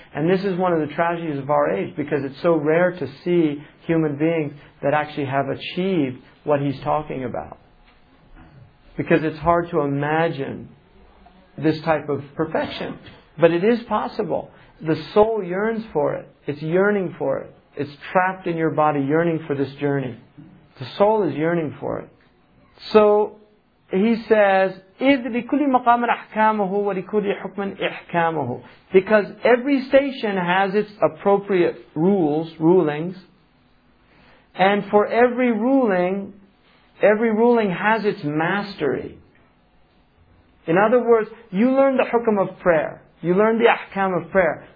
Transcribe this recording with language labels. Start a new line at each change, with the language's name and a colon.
English: And this is one of the tragedies of our age, because it's so rare to see human beings that actually have achieved what he's talking about. Because it's hard to imagine this type of perfection. But it is possible. The soul yearns for it. It's yearning for it. It's trapped in your body, yearning for this journey. The soul is yearning for it. So he says,
Arabic: إِذْ لِكُلِّ مَقَامٍ أَحْكَامُهُ وَلِكُلِّ حُكْمٍ إِحْكَامُهُ.
English: Because every station has its appropriate rules, rulings. And for every ruling has its mastery. In other words, you learn the hukam of prayer. You learn the ahkam of prayer.